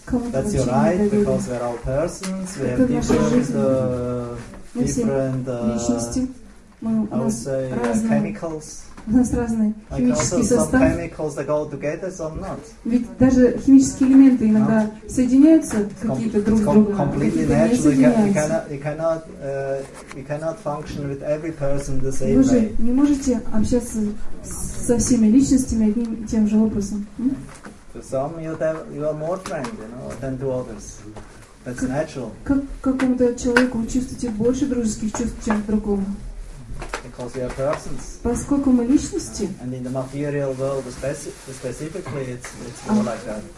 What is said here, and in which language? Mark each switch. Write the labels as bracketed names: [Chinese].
[English] Кому-то that's your right, доверие. Because we're all persons, we have different [Russian] личности. [English] Chemicals. [Russian] У нас разные химические [English] like [Russian] составы. [English] Some chemicals that go together, some not. [Russian] Ведь даже химические элементы иногда no. соединяются какие-то друг с другом. [English] Completely natural. You cannot function with every person the same [Russian] way. Вы же не можете общаться со всеми личностями одним и тем же образом. [English] To some you are more friend, you know, than to others. That's natural. [Russian] Как какому-то человеку чувствуете больше дружеских чувств, чем другому? [English] Because we are persons. [Russian] Поскольку мы личности. [English] And in the material world, specifically, it's more like that.